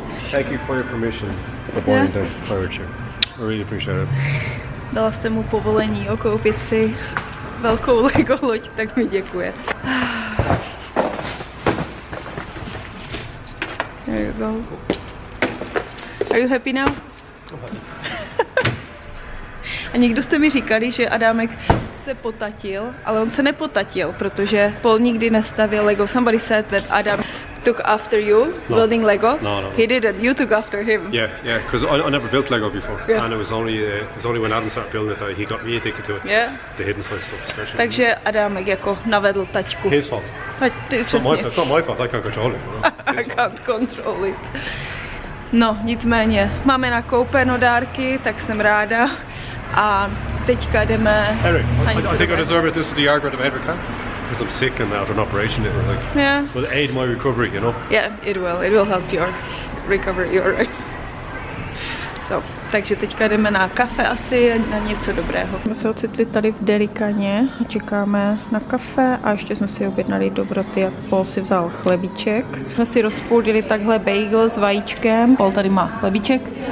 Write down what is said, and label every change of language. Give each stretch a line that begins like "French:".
English: Thank you for your permission for boarding the pirate ship. I really appreciate it.
Czech: Dala jsem mu povolení koupit si velkou Lego loď, tak mi děkuje.
English: go. Are you happy now?
Czech: A někdo jste mi říkali, že Adámek se potatil, ale on se nepotatil, protože Paul nikdy nestavil Lego.
English: Somebody said that Adam took after you, no. Building Lego. No, no, no. He didn't, you took after him. Yeah, yeah, because I never built Lego before. Yeah. And it was only when Adam started building it that he got me addicted to it. Yeah. The hidden side stuff especially.
Czech: Takže Adámek jako navedl taťku.
English: His fault. It's not my fault, I can't control it.
Czech: No, nicméně, máme nakoupeno dárky, tak jsem ráda. A teďka jdeme...
English: Eric, I think I deserve it, this is the yard right of Eric, huh? Because I'm sick and after an operation, it will like... Yeah. Will aid my recovery, you know? Yeah, it will help your recovery, you're right.
Czech: So, takže teďka jdeme na kafe asi, na něco dobrého. My se ocitli tady v Delikaně a čekáme na kafe a ještě jsme si objednali dobroty, jak Paul si vzal chlebíček. Jsme si rozpůlili takhle bagel s vajíčkem. Paul tady má chlebíček.